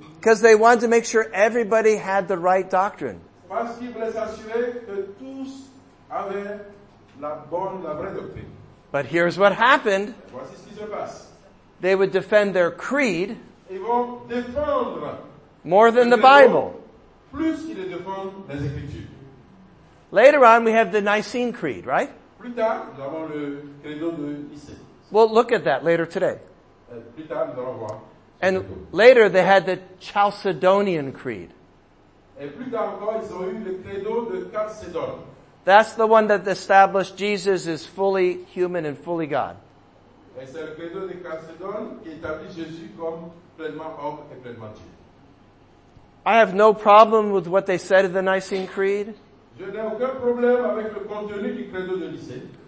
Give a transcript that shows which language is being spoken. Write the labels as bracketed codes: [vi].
[en] Because they wanted to make sure everybody had the right doctrine. [fr] Parce qu'ils voulaient s'assurer que tous avaient la vraie doctrine. [en] But here's what happened. [fr] Voici ce qui se passe. [en] They would defend their creed. [fr] Ils vont défendre [en] more than the Bible. [fr] Plus qu'ils défendent les Écritures. [en] Later on, we have the Nicene Creed, right? [fr] Plus tard, nous avons le credo de Nicée. [en] We'll look at that later today. [fr] Plus tard, nous allons voir. [en] And later, they had the Chalcedonian Creed. [fr] Et plus tard encore, ils ont eu le credo de Chalcedon. [en] That's the one that established Jesus is fully human and fully God. [fr] Et c'est le credo de Chalcedon qui établit Jésus comme pleinement homme et pleinement Dieu. [en] I have no problem with what they said in the Nicene Creed. [fr] Je n'ai aucun problème avec le contenu du credo de Nicée.